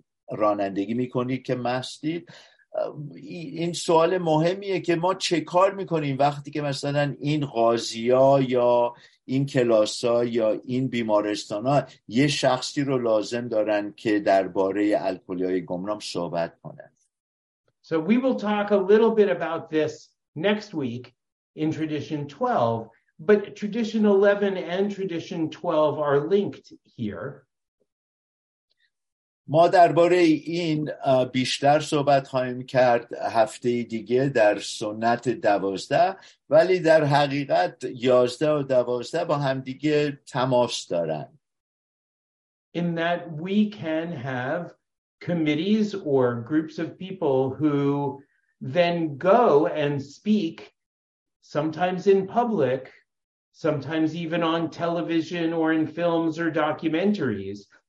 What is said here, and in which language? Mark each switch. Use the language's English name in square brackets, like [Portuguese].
[Persian] رانندگی میکنید که مستید، این سوال مهمیه که ما چه کار میکنیم وقتی که مثلا این قاضیا یا این کلاسا یا این بیمارستانا یه شخصی رو لازم دارن که درباره الکلی‌های گمنام صحبت کنه. [English] So we will talk a little bit about this next week in Tradition 12, but Tradition 11 and Tradition 12 are linked here. [Persian] ما درباره این بیشتر صحبت خواهیم کرد هفته دیگه در سنت 12، ولی در حقیقت 11 و 12 با هم دیگه تماس دارن. [English] In that we can have committees or groups of people who then go and speak sometimes in public, sometimes even on television or in films or documentaries.